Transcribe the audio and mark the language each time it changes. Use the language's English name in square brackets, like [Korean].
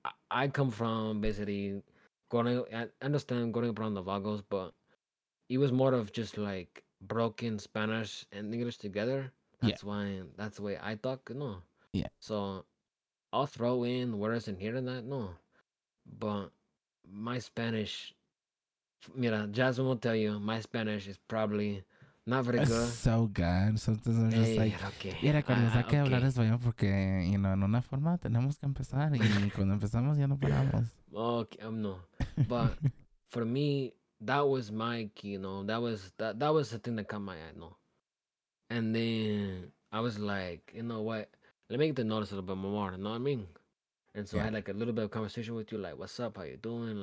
[English] I come from basically going. I understand going up around the vowels, but it was more of just like broken Spanish and English together. That's the way I talk, no. So I'll throw in words in here and that, no. But my Spanish, Jasmine will tell you, my Spanish is probably not very [Spanish] Es [English] good. so good. So [Spanish] entonces [English] I'm just like, [Spanish] mira, cuando nos hay que hablar español, porque, [English] you know, [Spanish] en una forma tenemos que empezar y cuando empezamos ya no paramos. [English] Okay, I'm no. But for me, that was my key, you know. That was the thing that caught my eye, no. And then I was like, you know what? Let me get to know this a little bit more, you know what I mean? And so I had like a little bit of conversation with you, like, what's up? How you doing?